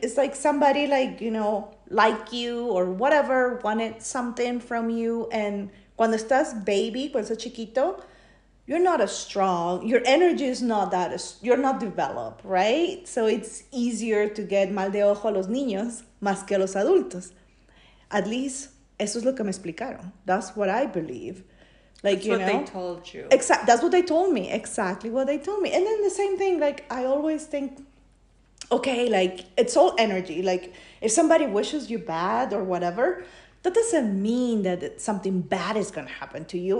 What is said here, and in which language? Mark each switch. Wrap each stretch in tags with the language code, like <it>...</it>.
<en>It's like somebody like, you know, like you or whatever wanted something from you. And</en> <es>cuando estás baby, cuando estás chiquito,</es> <en>you're not as strong. Your energy is not that, you're not developed, right? So it's easier to get</en> <es>mal de ojo a los niños más que a los adultos.</es> <en>At least,</en> <es>eso es lo que me explicaron.</es> <en>That's what I believe. Like, that's you what know, they told you. That's what they told me. Exactly what they told me. And then the same thing, like, I always think, okay, like, it's all energy. Like, if somebody wishes you bad or whatever, that doesn't mean that something bad is going to happen to you.</en>